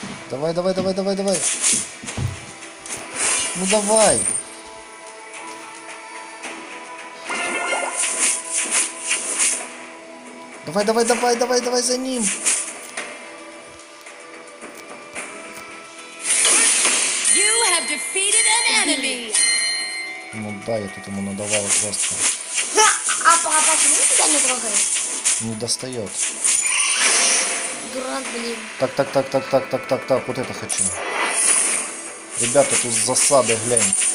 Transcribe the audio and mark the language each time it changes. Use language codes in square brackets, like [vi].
[ru] Давай, давай, давай, давай, давай. Ну давай. Давай, давай, давай, давай, давай за ним. [en] You have defeated an enemy. [ru] Ну да, я тут ему надавал жестко. А почему тебя не трогает? Не достает. Дурак, блин. Так, так, так, так, так, так, так, так, вот это хочу. Ребята, тут засады, глянь.